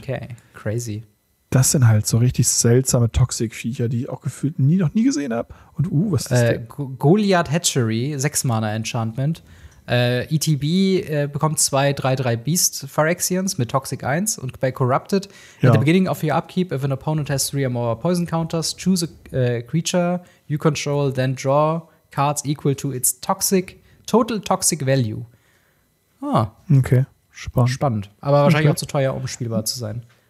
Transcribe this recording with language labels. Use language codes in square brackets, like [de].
[en] Okay, crazy. [de] Das sind halt so richtig seltsame Toxic-Viecher, die ich auch gefühlt noch nie gesehen habe. Und was ist das denn? Goliath Hatchery, 6-Mana-Enchantment. ETB bekommt 2/3/3 Beast Phyrexians mit Toxic 1 und bei Corrupted. [en] At the beginning of your upkeep, if an opponent has 3 or more poison counters, choose a creature you control, then draw cards equal to its toxic, total toxic value. [de] Ah. Okay. Spannend. Spannend. Aber wahrscheinlich auch zu teuer, um spielbar zu sein.